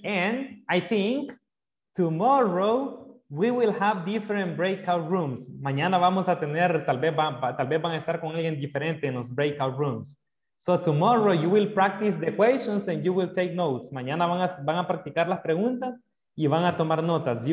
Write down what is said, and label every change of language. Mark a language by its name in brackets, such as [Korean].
[English] And I think tomorrow we will have different breakout rooms. [Spanish] Mañana vamos a tener, tal vez van a estar con alguien diferente en los breakout rooms. [English] So tomorrow you will practice the questions and you will take notes. [Spanish] Mañana van a practicar las preguntas y van a tomar notas.